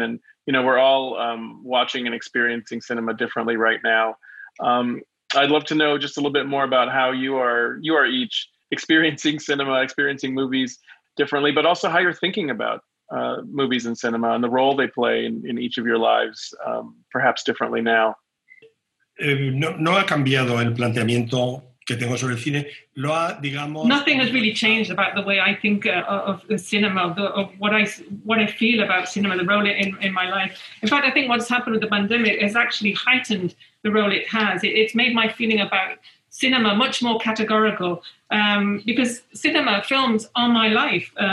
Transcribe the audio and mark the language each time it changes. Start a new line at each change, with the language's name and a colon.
English: And, you know, we're all watching and experiencing cinema differently right now. I'd love to know just a little bit more about how you are each experiencing cinema, experiencing movies differently, but also how you're thinking about movies and cinema and the role they play in each of your lives, perhaps differently now.
Spanish: No ha cambiado el planteamiento que tengo sobre el cine. Lo ha, digamos,
English: nothing has really changed about the way I think of the cinema, of what I feel about cinema, the role it in my life. In fact, I think what's happened with the pandemic has actually heightened the role it has. It's made my feeling about cinema much more categorical, because cinema, films are my life.